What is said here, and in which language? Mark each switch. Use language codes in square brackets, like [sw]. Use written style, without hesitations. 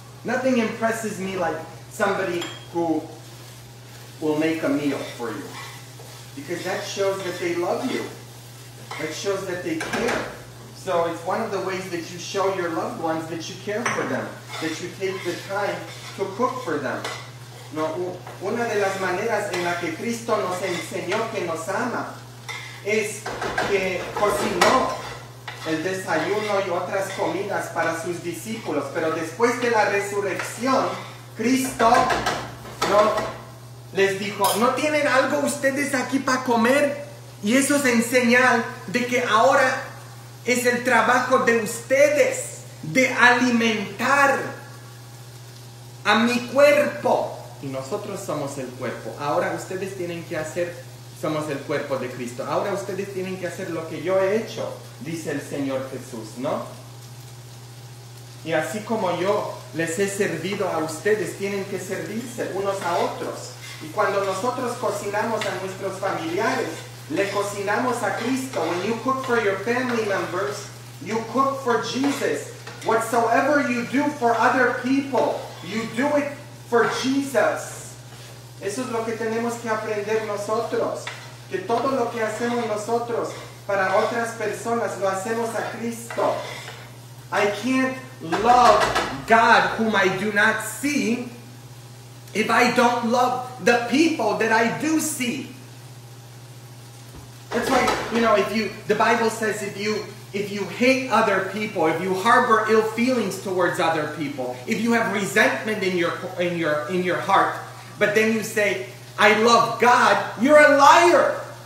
[en] Nothing impresses me like somebody who will make a meal for you. Because that shows that they love you. That shows that they care. So it's one of the ways that you show your loved ones that you care for them, that you take the time to cook for them. [es] No, una de las maneras en la que Cristo nos enseñó que nos ama es que cocinó el desayuno y otras comidas para sus discípulos, pero después de la resurrección, Cristo no les dijo, ¿no tienen algo ustedes aquí para comer? Y eso es en señal de que ahora es el trabajo de ustedes de alimentar a mi cuerpo. Y nosotros somos el cuerpo. Ahora ustedes tienen que hacer, somos el cuerpo de Cristo. Ahora ustedes tienen que hacer lo que yo he hecho, dice el Señor Jesús, ¿no? Y así como yo les he servido a ustedes, tienen que servirse unos a otros. Y cuando nosotros cocinamos a nuestros familiares, le cocinamos a Cristo. [en] When you cook for your family members, you cook for Jesus. Whatsoever you do for other people, you do it for Jesus. [es] Eso es lo que tenemos que aprender nosotros. Que todo lo que hacemos nosotros para otras personas, lo hacemos a Cristo. [en] I can't love God whom I do not see if I don't love the people that I do see. That's why, you know, the Bible says if you hate other people, if you harbor ill feelings towards other people, if you have resentment in your heart, but then you say, I love God, you're a liar.